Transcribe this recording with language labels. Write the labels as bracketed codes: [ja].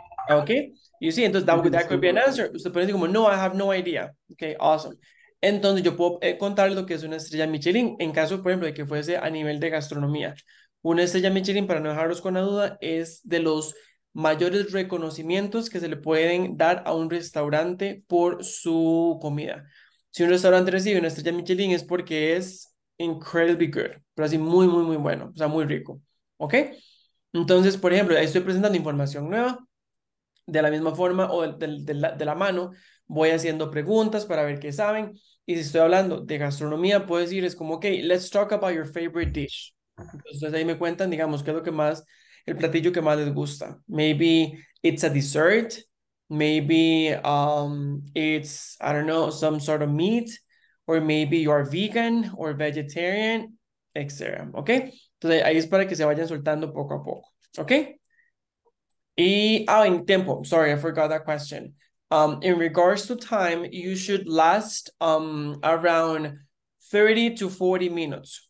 [en] Ok, you see, entonces that could be an [es] disculpa. [en] answer. [es] Usted puede decir como, no, [en] I have no idea. Ok, awesome. [es] Entonces yo puedo contar lo que es una estrella Michelin en caso, por ejemplo, de que fuese a nivel de gastronomía. Una estrella Michelin, para no dejarlos con la duda, es de los mayores reconocimientos que se le pueden dar a un restaurante por su comida. Si un restaurante recibe una estrella Michelin es porque es [en] incredibly good, [es] pero así muy, muy, muy bueno, o sea, muy rico. Ok, entonces, por ejemplo, ahí estoy presentando información nueva. De la misma forma o de la mano, voy haciendo preguntas para ver qué saben. Y si estoy hablando de gastronomía, puedo decir, es como, ok, [en] let's talk about your favorite dish. [es] Entonces ahí me cuentan, digamos, qué es lo que más, el platillo que más les gusta. [en] Maybe it's a dessert. Maybe it's, I don't know, some sort of meat. Or maybe you're vegan or vegetarian, etc. ¿Ok? [es] Entonces ahí es para que se vayan soltando poco a poco. ¿Ok? Y, en tiempo, [en] sorry, I forgot that question. In regards to time, you should last around 30 to 40 minutes.